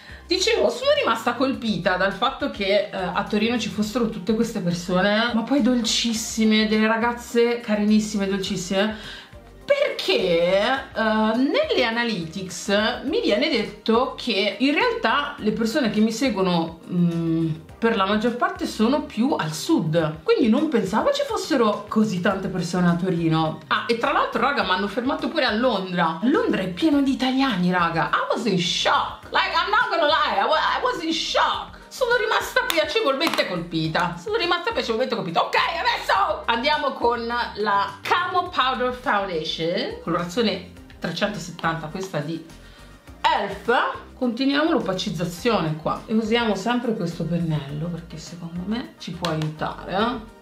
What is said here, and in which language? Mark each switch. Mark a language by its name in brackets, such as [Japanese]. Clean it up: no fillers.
[Italian] Dicevo, sono rimasta colpita dal fatto che a Torino ci fossero tutte queste persone, ma poi dolcissime, delle ragazze carinissime, dolcissime, perché nelle analytics mi viene detto che in realtà le persone che mi seguono per la maggior parte sono più al sud, quindi non pensavo ci fossero così tante persone a Torino. Ah, e tra l'altro, raga, mi hanno fermato pure a Londra. Londra è pieno di italiani, raga. [English] I was in shock. Like, I'm not gonna lie, I was in shock. [Italian] Sono rimasta piacevolmente colpita. Ok, adesso andiamo con la Camo Powder Foundation, colorazione 370, questa di Elf. Continuiamo l'opacizzazione qua e usiamo sempre questo pennello perché secondo me ci può aiutare, eh?